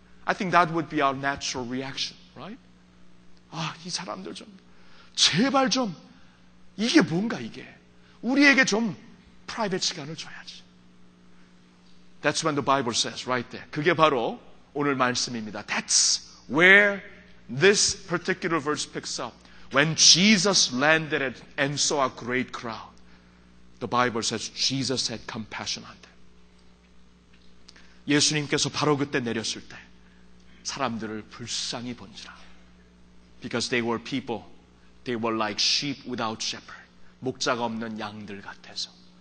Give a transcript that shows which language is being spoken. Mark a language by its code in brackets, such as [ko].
[en] I think that would be our natural reaction, right? [ko] 아, 이 사람들 좀, 제발 좀, 이게 뭔가 이게. 우리에게 좀 private 시간을 줘야지. [en] That's when the Bible says, right there. [ko] 그게 바로 오늘 말씀입니다. [en] That's where this particular verse picks up. When Jesus landed and saw a great crowd, the Bible says Jesus had compassion on them. [ko] 예수님께서 바로 그때 내렸을 때 사람들을 불쌍히 본지라. [en] Because they were people, they were like sheep without shepherd. [ko] 목자가 없는 양들 같아서.